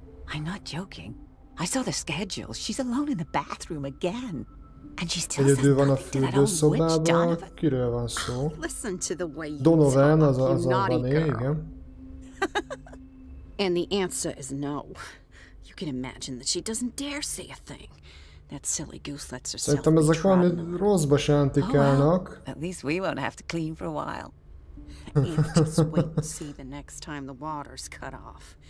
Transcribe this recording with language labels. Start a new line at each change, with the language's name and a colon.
English: I'm not joking. I saw the schedule. She's alone in the bathroom again.
Hungarian: Egyedül van a fürdőszobában. Kiről van szó? Donovan, az abban él, igen.
English: And the answer is no. You can imagine that she doesn't dare say a thing. That silly goose lets herself.
Hungarian: Szerintem ezek valami rosszba sántikálnak.
English: Oh, well, at least we won't have to clean for a while. Just wait and see the next time the water's cut off.